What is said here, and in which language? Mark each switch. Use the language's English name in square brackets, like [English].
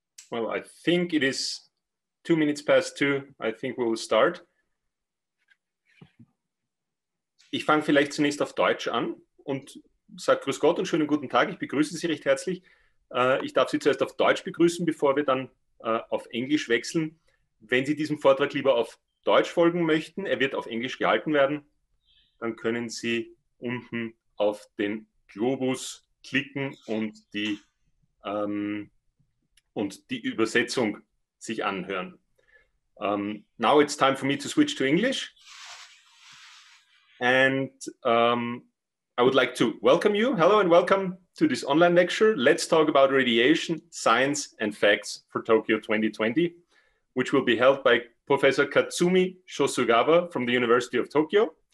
[English] Well, I think it is 2 minutes past two. I think we will start. [German] Ich fange vielleicht zunächst auf Deutsch an und sage Grüß Gott und schönen guten Tag. Ich begrüße Sie recht herzlich. Ich darf Sie zuerst auf Deutsch begrüßen, bevor wir dann auf Englisch wechseln. Wenn Sie diesem Vortrag lieber auf Deutsch folgen möchten, er wird auf Englisch gehalten werden, dann können Sie unten auf den Globus klicken und die Übersetzung sich anhören. [English] Now it's time for me to switch to English. And I would like to welcome you. Hello and welcome to this online lecture. Let's talk about radiation, science and facts for Tokyo 2020, which will be held by Professor Katsumi Shozugawa from the University of Tokyo.